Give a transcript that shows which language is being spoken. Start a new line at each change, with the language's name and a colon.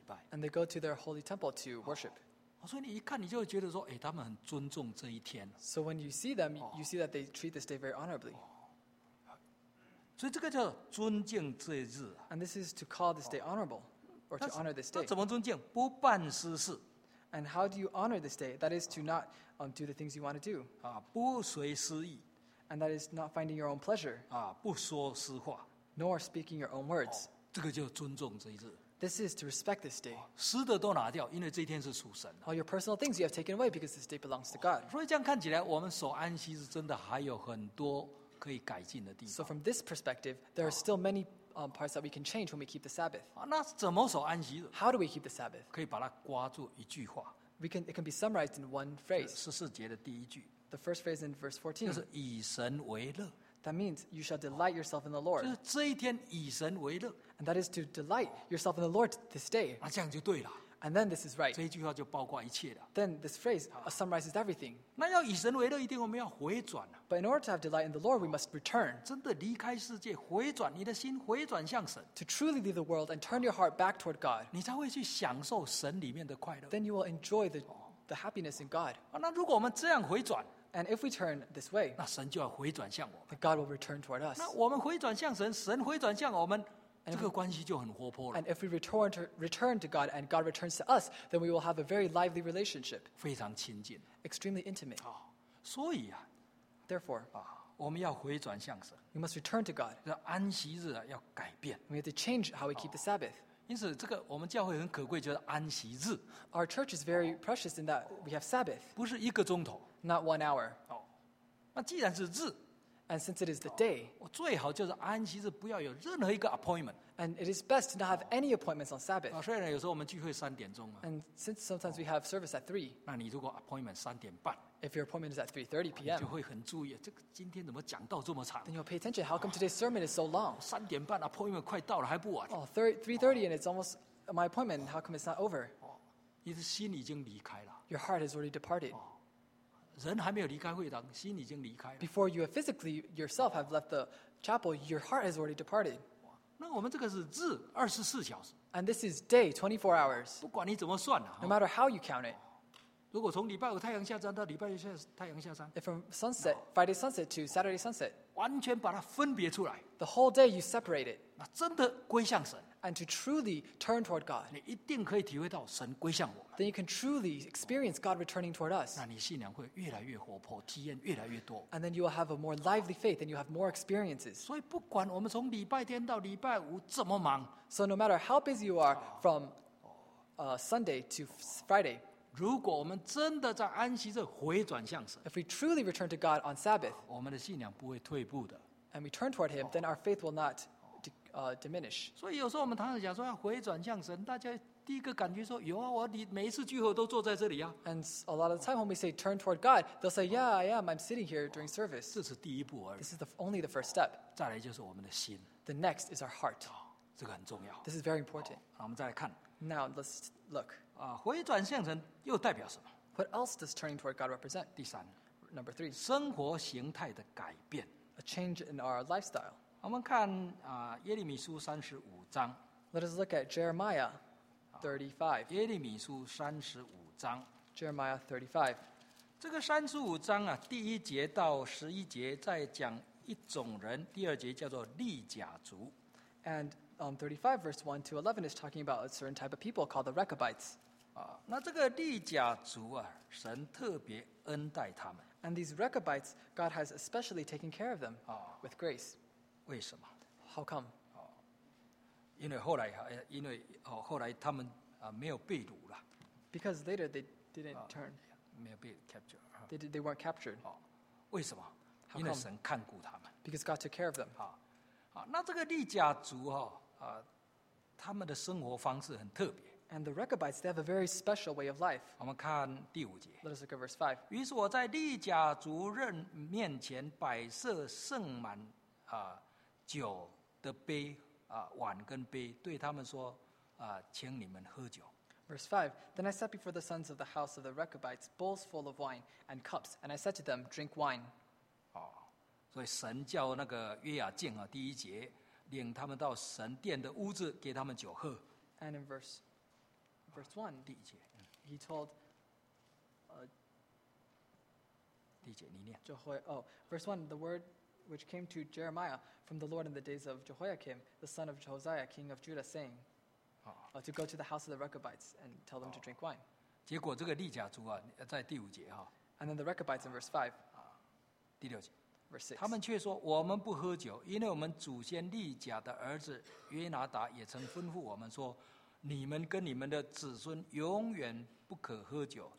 English: And they go to their holy temple to worship.
Chinese: 所以你一看你就会觉得说, 诶, 他们很尊重这一天。
English: So when you see them, you see that they treat this day very honorably.
Chinese: 所以这个叫尊敬这日,
English: and this is to call this day honorable, or to honor this day.
Chinese: 那怎么尊敬?不办私事,
English: and how do you honor this day? That is to not do the things you want to do.
Chinese: 不随私意,
English: and that is not finding your own pleasure.
Chinese: 不说私话,
English: nor speaking your own words.
Chinese: 这个叫尊重这日,
English: this is to respect this day.
Chinese: 私的都拿掉, 因为这一天是属神,
English: all your personal things you have taken away because this day belongs to God.
Chinese: 所以这样看起来, 我们守安息日真的还有很多,
English: so from this perspective, there are still many parts that we can change when we keep the Sabbath.
Chinese: 那怎么守安息日?
English: How do we keep the Sabbath?
Chinese: 可以把它刮住一句话,
English: it can be summarized in one phrase.
Chinese: 14节的第一句,
English: the first phrase in verse 14.
Chinese: 就是以神为乐,
English: that means you shall delight yourself in the Lord.
Chinese: 就是这一天以神为乐,
English: and that is to delight yourself in the Lord this day.
Chinese: 那这样就对了,
English: and then this is right.
Chinese: 这一句话就包括一切的,
English: then this phrase summarizes everything.
Chinese: 那要以神为乐一定我们要回转,
English: but in order to have delight in the Lord, we must return.
Chinese: 真的离开世界, 回转, 你的心, 回转向神,
English: to truly leave the world and turn your heart back toward God.
Chinese: 你才会去享受神里面的快乐,
English: then you will enjoy the happiness in God.
Chinese: 那如果我们这样回转,
English: and if we turn this way,
Chinese: 那神就要回转向我们,
English: then God will return toward us.
Chinese: 那我们回转向神, 神回转向我们, and
English: if we return to God and God returns to us, then we will have a very lively relationship.
Chinese: 非常亲近,
English: extremely intimate.
Chinese: 所以啊,
English: therefore,
Chinese: 我们要回转向神,
English: we must return to God.
Chinese: 安息日啊,要改变,
English: we have to change how we keep the Sabbath.
Chinese: 因此这个我们教会很可贵就是安息日,
English: our church is very precious in that we have Sabbath.
Chinese: 不是一个钟头,
English: not 1 hour.
Chinese: 那既然是日,
English: and since it is the day,
Chinese: 最好就是安息日不要有任何一个 appointment,
English: And it is best to not have any appointments on Sabbath.
Chinese: 虽然有时候我们聚会三点钟嘛。
English: And since sometimes we have service at 3.
Chinese: 那你如果 appointment 三点半。
English: If your appointment is at 3:30 p.m.
Chinese: 你就会很注意，这个今天怎么讲到这么长？
English: Then you'll pay attention. How come today's sermon is so long?
Chinese: 三点半 appointment 快到了还不晚。
English: Oh, 3:30 and it's almost my appointment. How come it's not over?
Chinese: 你的心已经离开了。
English: Your heart has already departed.
Chinese: 人还没有离开会堂，心已经离开了。
English: Before you have physically yourself have left the chapel, your heart has already departed.
Chinese: 那我们这个是日二十四小时
English: ，and this is day 24 hours。
Chinese: 不管你怎么算了
English: ，no matter how you count it。
Chinese: 如果从礼拜五太阳下山到礼拜六太阳下山
English: ，if from sunset Friday sunset to Saturday sunset，
Chinese: 完全把它分别出来
English: ，the whole day you separate it，
Chinese: 那真的归向神
English: ，and to truly turn toward God，
Chinese: 你一定可以体会到神归向我们
English: ，then you can truly experience God returning toward us。
Chinese: 那你信仰会越来越活泼，体验越来越多
English: ，and then you will have a more lively faith and you have more experiences。
Chinese: 所以不管我们从礼拜天到礼拜五怎么忙
English: ，so no matter how busy you are from Sunday to Friday。
Chinese: 如果我们真的在安息日回转向神
English: ，If we truly return to God on Sabbath，
Chinese: 我们的信仰不会退步的
English: ，And we turn toward Him， then our faith will not diminish。
Chinese: 所以有时候我们常常讲说要回转向神，大家第一个感觉说有啊，我每一次聚会都坐在这里啊。
English: And a lot of the time when we say turn toward God， they'll say， Yeah， I am， I'm sitting here during service。
Chinese: 这是第一步而已。
English: This is only the first step。
Chinese: 再来就是我们的心。
English: The next is our heart。
Chinese: 这个很重要。
English: This is very important。
Chinese: 好，我们再来看。
English: Now let's look。
Chinese: 回转向神又代表什么
English: ？What else does turning toward God represent？
Chinese: 第三
English: ，Number three，
Chinese: 生活形态的改变
English: ，A change in our lifestyle。
Chinese: 我们看耶利米书三十五章。
English: Let us look at Jeremiah 35。
Chinese: 耶利米书三十五章
English: ，Jeremiah 35。
Chinese: 这个三十五章啊，第一节到十一节在讲一种人，第二节叫做利甲族。
English: And 35 verse 1 to 11 is talking about a certain type of people called the Rechabites.
Chinese: 那这个利甲族啊，神特别恩待他们。
English: And these Rechabites, God has especially taken care of them with grace.
Chinese: 为什么
English: ？How come？
Chinese: 因为后来他们没有被掳了。
English: Because later they didn't turn.
Chinese: 没有被 captured.
English: They weren't captured.
Chinese: 为什么
English: ？How come？
Chinese: 因为神看顾他们。
English: Because God took care of them.
Chinese: 那这个利甲族他们的生活方式很特别。
English: And the Rechabites, they have a very special way of life.
Chinese: 我们看第五节。
English: Let us look at verse 5.
Chinese: 于是我在利甲族人面前摆设盛满酒的杯碗跟杯，对他们说请你们喝酒。
English: Verse 5. Then I sat before the sons of the house of the Rechabites, bowls full of wine and cups, and I said to them, drink wine.
Chinese: 所以神叫那个约雅敬第一节领他们到神殿的屋子给他们酒喝。
English: And in verse 1,
Chinese: 第一节
English: he told,
Chinese: 第一节你念。
English: Verse 1, the word which came to Jeremiah from the Lord in the days of Jehoiakim, the son of Josiah, king of Judah, saying, to go to the house of the Rechabites and tell them to drink wine.
Chinese: 结果这个利甲族在第五节。
English: And then the Rechabites in verse 5,
Chinese: 第六节。他们却说我们不喝酒，因为我们祖先利甲的儿子约拿达也曾吩咐我们说，你们跟你们的子孙永远不可喝酒。